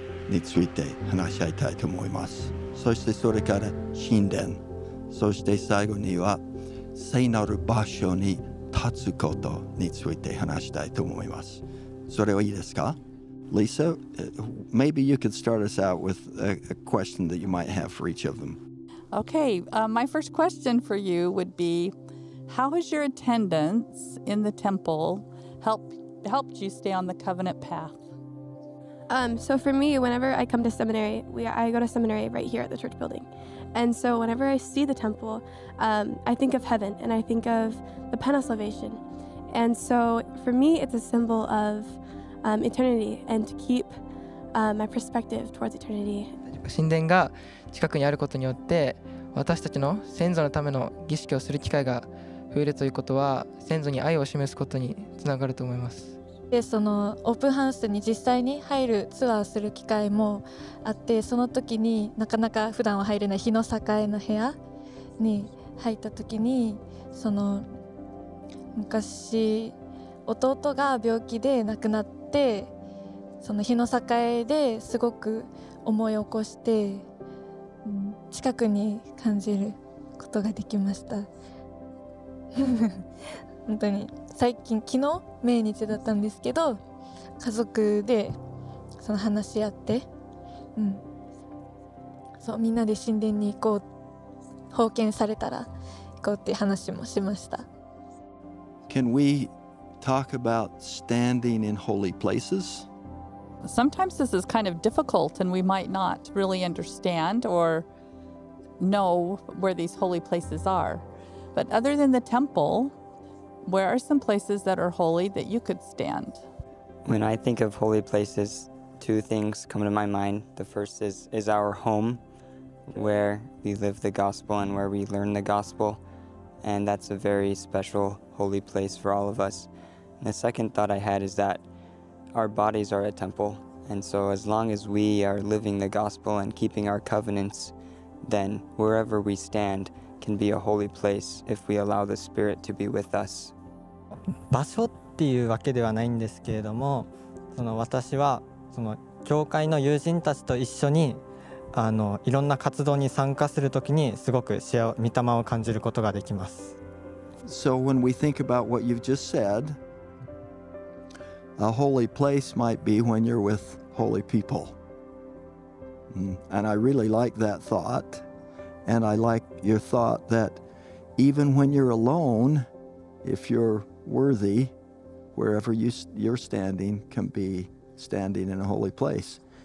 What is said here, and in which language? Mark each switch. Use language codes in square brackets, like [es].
[ja] について話し合いたいと思います。そしてそれから神殿、そして最後には聖なる場所に立つことについて話したいと思います。それはいいですか？ [en] Lisa, maybe you could start us out with a question that you might have for each of them. Okay, my first question for you would be, how has your attendance in the temple helped you stay on the covenant path? So for me, whenever I come to seminary, I go to seminary right here at the church building. And so whenever I see the temple, I think of heaven and I think of the penance salvation. And so for me, it's a symbol of eternity and to keep my perspective towards eternity. [ja] 神殿が近くにあることによって、私たちの先祖のための儀式をする機会が増えるということは、先祖に愛を示すことにつながると思います。でそのオープンハウスに実際に入るツアーする機会もあって、その時になかなか普段は入れない日の境の部屋に入った時に、その昔弟が病気で亡くなって、その日の境ですごく思い起こして近くに感じることができました。本当に最近、昨日命日だったんですけど、家族でその話し合って、そうみんなで神殿に行こう、奉献されたら行こうって話もしました。 [en] Can we talk about standing in holy places? Sometimes this is kind of difficult and we might not really understand or know where these holy places are. But other than the temple,where are some places that are holy that you could stand? When I think of holy places, two things come to my mind. The first is our home, where we live the gospel and where we learn the gospel. And that's a very special holy place for all of us. And the second thought I had is that our bodies are a temple. And so as long as we are living the gospel and keeping our covenants, then wherever we stand,can be a holy place if we allow the Spirit to be with us. [ja] 場所っていうわけではないんですけれども、その私はその教会の友人たちと一緒にいろんな活動に参加するときにすごく御霊を感じることができます。 [en] So when we think about what you've just said, a holy place might be when you're with holy people. And I really like that thought. And I like your thought that even when you're alone, if you're worthy, wherever you're standing can be standing in a holy place.